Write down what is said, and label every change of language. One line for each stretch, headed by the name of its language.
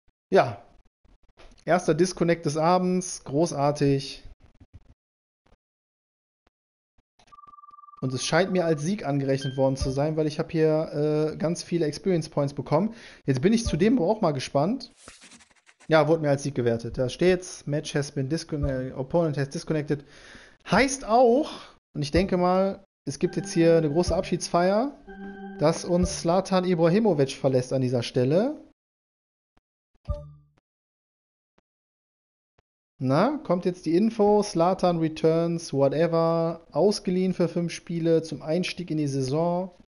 German: Ja, erster Disconnect des Abends, großartig. Und es scheint mir als Sieg angerechnet worden zu sein, weil ich habe hier ganz viele Experience Points bekommen. Jetzt bin ich zudem auch mal gespannt. Ja, wurde mir als Sieg gewertet. Da steht's.
English: Match has been disconnected. Opponent has disconnected.
German: Heißt auch, und ich denke mal, es gibt jetzt hier eine große Abschiedsfeier, dass uns Zlatan Ibrahimovic verlässt an dieser Stelle. Na, kommt jetzt die Info, Zlatan Returns, whatever, ausgeliehen für 5 Spiele zum Einstieg in die Saison.